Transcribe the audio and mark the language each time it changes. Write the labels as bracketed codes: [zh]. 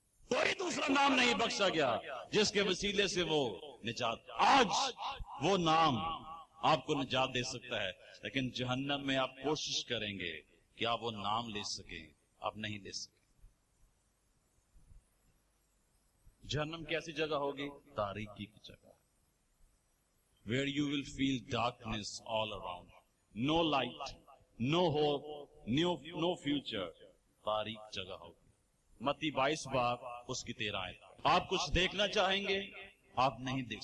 [ur] کوئی دوسرا نام نہیں بخشا گیا جس کے وسیلے سے وہ نجات, آج وہ نام آپ کو نجات دے سکتا ہے. لیکن جہنم میں آپ کوشش کریں گے کیا وہ نام لے سکیں, آپ نہیں لے سکیں. جہنم کیسی جگہ ہوگی؟ تاریکی کی جگہ, [en] where you will feel darkness all around, no light, no hope, no future, [ur] تاریک جگہ ہوگی. متی 22 باب اس کی 13 آیت. آپ کچھ دیکھنا چاہیں گے؟ آپ نہیں دیکھ سکتے.